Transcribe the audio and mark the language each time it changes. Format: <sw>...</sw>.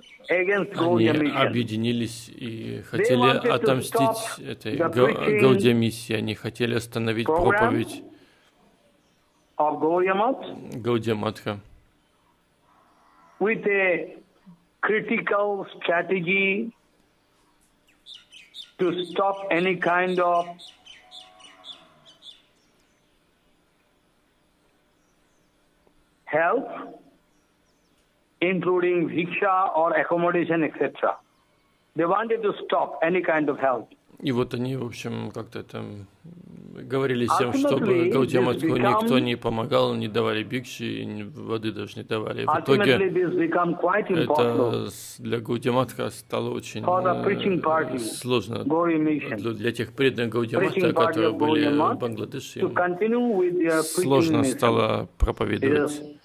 <ru>Они объединились и хотели отомстить этой Гаудия Миссии. Они хотели остановить проповедь Гаудия Матха.</ru> <en>With a critical strategy to stop any kind of help, including bhiksha or accommodation, etc. They wanted to stop any kind of help.</en> <ru>И вот они, в общем, как-то там говорили всем, чтобы Гаудия Матху никто не помогал, не давали бикши, воды даже не давали. В итоге это для Гаудия Матха стало очень сложно для тех преданных Гаудия Матха, которые были в Бангладеше, сложно стало проповедовать.</ru>